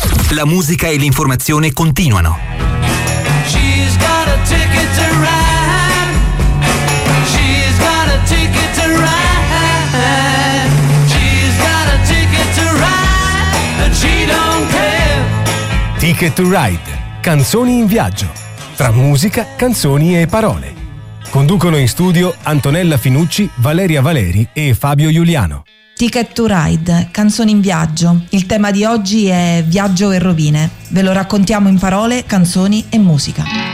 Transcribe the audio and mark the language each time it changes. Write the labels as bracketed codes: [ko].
[it] La musica e l'informazione continuano. [en] She's got a ticket to ride. She's got a ticket to ride. She's got a ticket to ride. And she don't care. Ticket to Ride. [it] Canzoni in viaggio. Tra musica, canzoni e parole. Conducono in studio Antonella Finucci, Valeria Valeri e Fabio Iuliano. Ticket to Ride, canzoni in viaggio. Il tema di oggi è viaggio e rovine. Ve lo raccontiamo in parole, canzoni e musica.